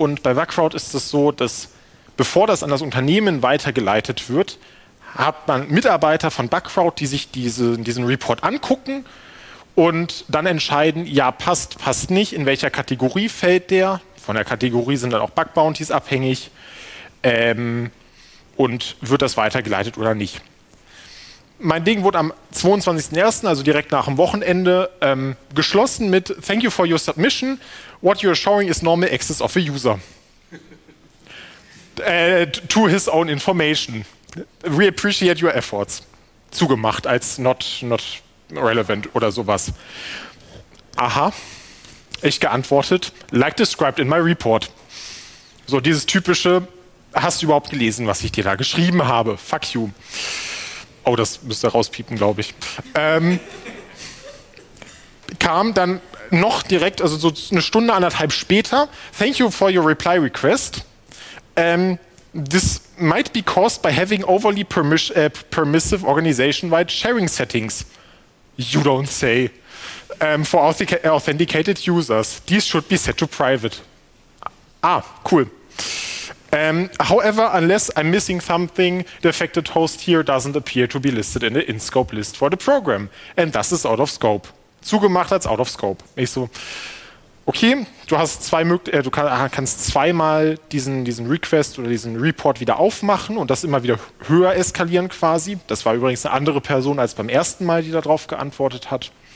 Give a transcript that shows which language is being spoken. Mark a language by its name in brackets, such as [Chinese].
[German] Und bei Bugcrowd ist es so, dass bevor das an das Unternehmen weitergeleitet wird, hat man Mitarbeiter von Bugcrowd, die sich diesen Report angucken und dann entscheiden, ja, passt, passt nicht, in welcher Kategorie fällt der. Von der Kategorie sind dann auch Bug Bounties abhängig. Und wird das weitergeleitet oder nicht. Mein Ding wurde am 22.01., also direkt nach dem Wochenende, geschlossen mit [English] Thank you for your submission. What you are showing is normal access of a user. To his own information. We appreciate your efforts. [German] Zugemacht als [English] not relevant [German] oder sowas. Aha. Ich geantwortet. [English] Like described in my report. [German] So dieses typische, hast du überhaupt gelesen, was ich dir da geschrieben habe? Fuck you. Oh, das müsste rauspiepen, glaube ich. Kam dann noch direkt, also so eine Stunde, anderthalb später, [English] thank you for your reply request. This might be caused by having overly permissive organization-wide sharing settings. You don't say. For authenticated users. These should be set to private. Ah, cool. However, unless I'm missing something, the affected host here doesn't appear to be listed in the in-scope list for the program. And thus is out of scope. [German] Zugemacht als out of scope. Ich so, okay, du kannst zweimal diesen Request oder diesen Report wieder aufmachen und das immer wieder höher eskalieren quasi. Das war übrigens eine andere Person als beim ersten Mal, die darauf geantwortet hat.